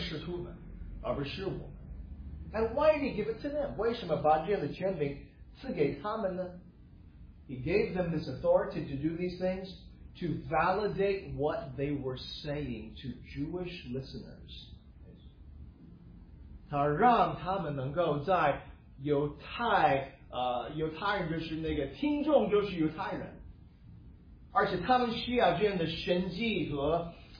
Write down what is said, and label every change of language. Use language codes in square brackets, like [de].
[zh] 主耶稣借着圣灵把这样的恩赐赐给他的十二个使徒们，而不是我们。 [en] And why did he give it to them? [zh] 为什么把这样的权柄赐给他们呢? [en] He gave them this authority to do these things to validate what they were saying to Jewish listeners. [zh] 他让他们能够在犹太 犹太人就是那个听众，就是犹太人，而且他们需要这样的神迹和